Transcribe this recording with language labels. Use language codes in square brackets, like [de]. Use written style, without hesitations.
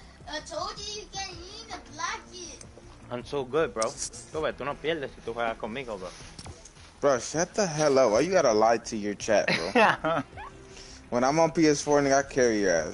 [en] I told you you can eat a blackie. I'm so good, bro. [es] Tú ves, tú no pierdes si tú juegas conmigo, bro. [en] Bro, shut the hell up. Why you gotta lie to your chat, bro? When I'm on PS4, nigga, I carry your ass.